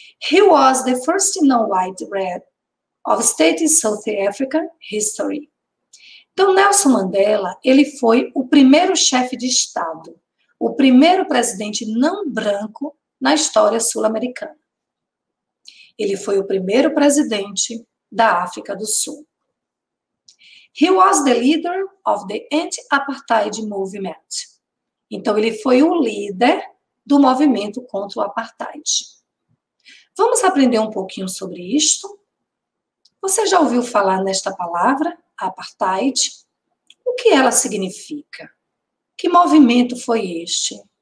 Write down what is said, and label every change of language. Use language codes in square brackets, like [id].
[en] He was the first non-white rep of state in South Africa history. [pt] Então, Nelson Mandela, ele foi o primeiro chefe de Estado, o primeiro presidente não branco na história sul-americana. Ele foi o primeiro presidente da África do Sul. [en] He was the leader of the anti-apartheid movement. [pt] Então, ele foi o líder do movimento contra o apartheid. Vamos aprender um pouquinho sobre isto? Você já ouviu falar nesta palavra, apartheid? O que ela significa? Que movimento foi este?